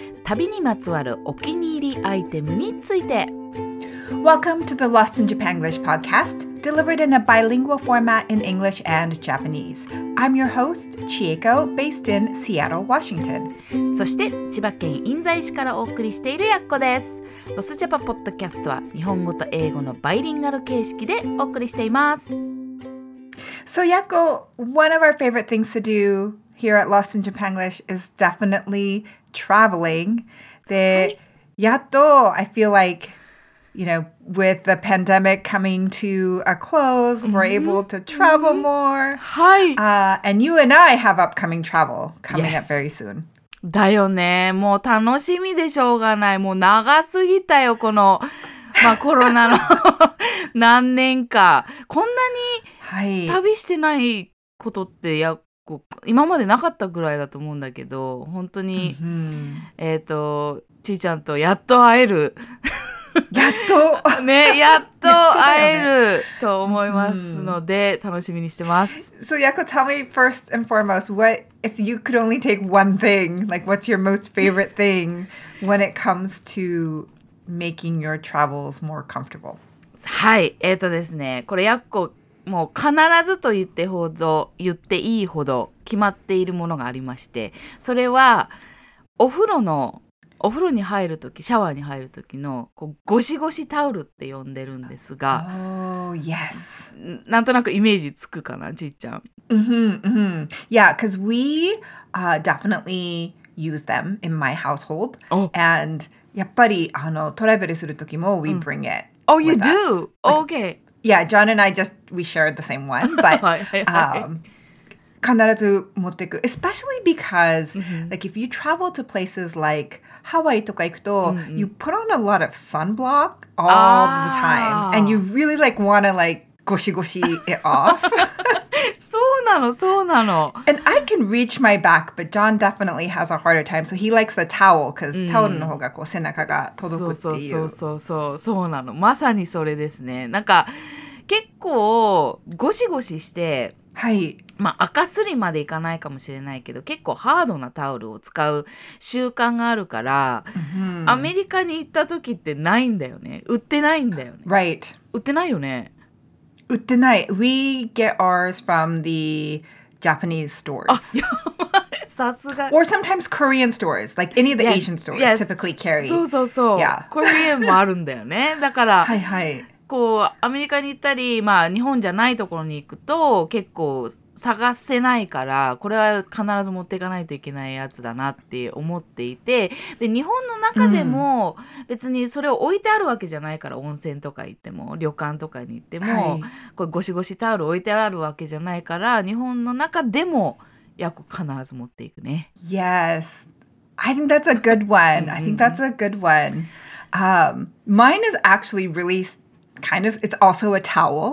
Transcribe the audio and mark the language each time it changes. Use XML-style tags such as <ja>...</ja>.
<ja>旅にまつわるお気に入りアイテムについて。</ja> <en>Welcome to the Lost in Japan English podcast, delivered in a bilingual format in English and Japanese. I'm your host, Chieko, based in Seattle, Washington.</en> <ja>そして千葉県印西市からお送りしているやっこです。ロスジャパポッドキャストは日本語と英語のバイリンガル形式でお送りしています。</ja> <en>So, Yakko, one of our favorite things to do here at Lost in Japan English is definitely traveling.</en> <ja>で、やっと、</ja> <en>I feel like, you know, with the pandemic coming to a close, mm-hmm. we're able to travel mm-hmm. more.</en> <ja>はい。</ja> <en>And you and I have upcoming travel coming yes. up very soon.</en> <ja>だよね。もう楽しみでしょうがない。もう長すぎたよ、この、まあ、コロナの何年か。こんなに、はい、旅してないことってやっこ今までなかったぐらいだと思うんだけど本当に、うん、ちーちゃんとやっと会えるやっとねやっと会えると思いますので、ね、楽しみにしてます、</ja> <en>うん、So Yakko, tell me first and foremost what if you could only take one thing like what's your most favorite thing when it comes to making your travels more comfortable</en> <ja>はいですねこれやっこもう必ずと言ってほど、言っていいほど決まっているものがありまして、それはお風呂に入るとき、シャワーに入るときのこうゴシゴシタオルって呼んでるんですが、</ja> <en>Oh, yes.</en> <ja>なんとなくイメージつくかな、ちいちゃん。 Mm-hmm, mm-hmm.</ja> <en>Yeah, because we、definitely use them in my household.、 Oh. And</en> <ja>やっぱりあのトラベルするときも</ja> <en>we bring it、うん、Oh, you do?、Like, okay. Yeah, John and I just, we shared the same one, but</en> <ja>はいはい、はい、必ず持っていく</ja> <en>especially because, like, if you travel to places like Hawaii</en> <ja>とか行くと、</ja> <en>mm-hmm. you put on a lot of sunblock all the time, and you really, like, want to, like, ゴシゴシ it off.</en> <ja>そうなの、そうなの。</ja> <en>And I can reach my back, but John definitely has a harder time, so he likes the towel, because、mm-hmm.</en> <ja>タオルの方がこう背中が届くっていう。そうそうそうそう、そうなの。まさにそれですね。なんか、結構ゴシゴシして、はい、まあ赤すりまでいかないかもしれないけど、結構ハードなタオルを使う習慣があるから、 mm-hmm. アメリカに行った時ってないんだよね。売ってないんだよね。</ja> <en>Right.</en> <ja>売ってないよね。売ってない。</ja> <en>We get ours from the Japanese stores.</en> <ja>あ、やばい。さすが。</ja> <en>Or sometimes Korean stores, like any of the Asian stores yes. typically carry.</en> <ja>そうそうそう。</ja> <en>Yeah.</en> <ja>コリアンもあるんだよね。だから、はいはい。こうアメリカに行ったり、まあ日本じゃないところに行くと結構探せないから、これは必ず持っていかないといけないやつだなって思っていて、で日本の中でも別にそれを置いてあるわけじゃないから、うん、温泉とか行っても旅館とかに行っても、はい、これゴシゴシタオル置いてあるわけじゃないから、日本の中でも約必ず持っていくね。</ja> <en>Yes, I think that's a good one. I think that's a good one. Mine is actually really kind of, it's also a towel.</en>